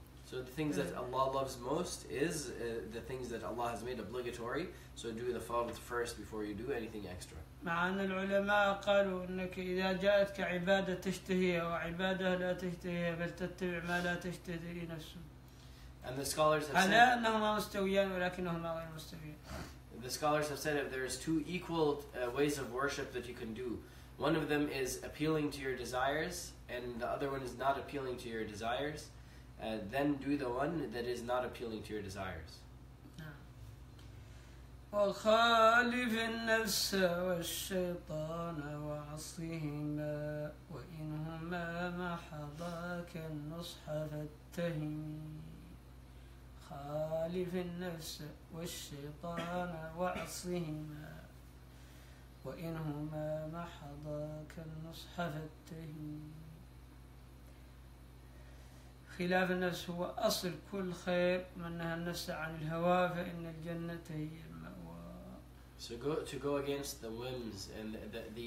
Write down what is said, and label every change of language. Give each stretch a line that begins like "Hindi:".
English: So the things that Allah loves most is the things that Allah has made obligatory. So do the fard first before you do anything extra.
Arabic: معنا العلماء قالوا إنك إذا جاءتك عبادة تشتهيها وعبادة لا تشتهيها فلتتبع ما لا تشتهي نفسه.
English: And the scholars have said.
Arabic: على أنهما مستويان ولكنهما غير مستويان.
English: The scholars have said if there is two equal ways of worship that you can do, one of them is appealing to your desires, and the other one is not appealing to your desires. Then do the one that is not appealing to your desires.
Arabic: وخالف النفس والشيطان وعصيهما وإنهما ما حضاك النصح فاتهم خالف النفس والشيطان وعصيهما وإنهما ما حضاك النصح فاتهم خلاف النفس هو أصل كل خير من نهى النفس عن الهوى فإن الجنة هي المأوى.
English: So to go against the whims and the